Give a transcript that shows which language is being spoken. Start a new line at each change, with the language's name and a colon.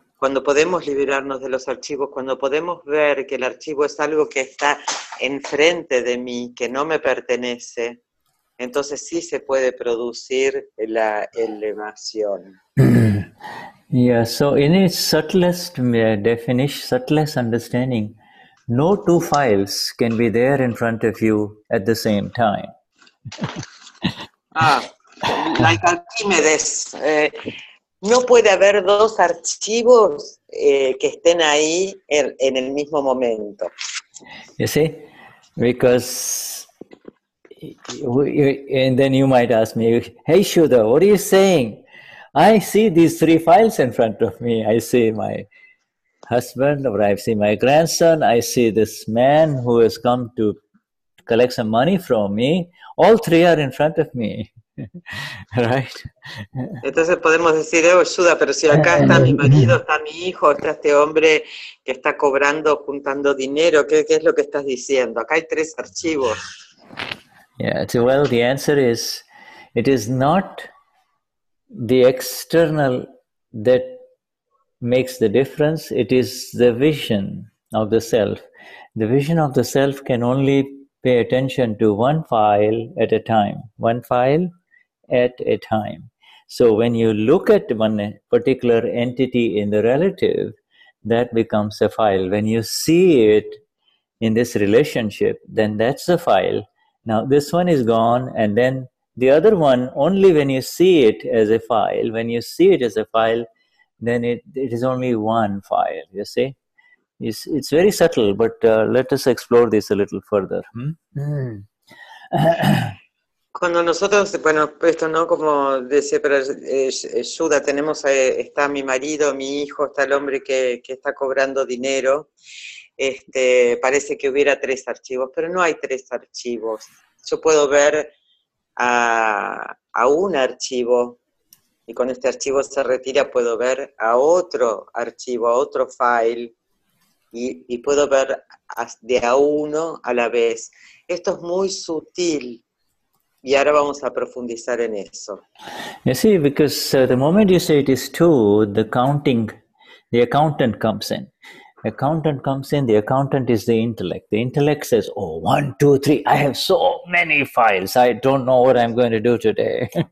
Spanish: Cuando podemos liberarnos de los archivos, cuando podemos ver que el archivo es algo que está enfrente de mí, que no me pertenece, entonces sí se puede producir la elevación.
English: Yeah, so in its subtlest definition, subtlest understanding, no two files can be there in front of you at the same time. Like Archimedes.
Spanish: No puede haber dos archivos que estén ahí en el mismo momento.
English: You see? Because and then you might ask me, hey Shudha, what are you saying? I see these three files in front of me. I see my husband, or I see my grandson, I see this man who has come to collect some money from me. All three are in front of me. Right.
Spanish: Entonces podemos decir, oh Shudha, pero si acá está mi marido, está mi hijo, está este hombre que está cobrando, juntando dinero, ¿qué es lo que estás diciendo? Acá hay tres archivos.
English: Yeah, so well, the answer is, it is not the external that makes the difference, it is the vision of the self. The vision of the self can only pay attention to one file at a time, one file at a time. So when you look at one particular entity in the relative, that becomes a file. When you see it in this relationship, then that's a file. Now this one is gone, and then the other one, only when you see it as a file, when you see it as a file, then it is only one file, you see? It's very subtle, but let us explore this a little further.
Spanish: Cuando nosotros, bueno, esto no, como decía, pero Shudha, tenemos, está mi marido, mi hijo, está el hombre que está cobrando dinero, parece que hubiera tres archivos, pero no hay tres archivos. Yo puedo ver a un archivo, y cuando este archivo se retira puedo ver a otro archivo, a otro file, y puedo ver de a uno a la vez. Esto es muy sutil. Y ahora vamos a profundizar en eso.
English: You see, because the moment you say it is two, the accountant comes in. Accountant comes in, the accountant is the intellect. The intellect says, oh, one, two, three, I have so many files. I don't know what I'm going to do today.